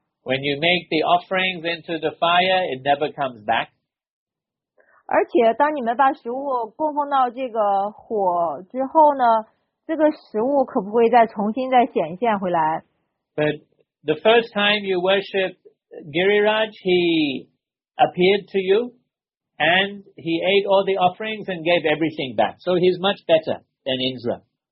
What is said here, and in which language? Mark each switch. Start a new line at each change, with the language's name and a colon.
English: When you make the offerings into the fire, it never comes back.
Chinese: 而且当你们把食物供奉到这个火之后呢，这个食物可不会再重新再显现回来。
English: But the first time you worship Giriraj, he appeared to youAnd he ate all the offerings and gave everything back. So he's much better than Indra.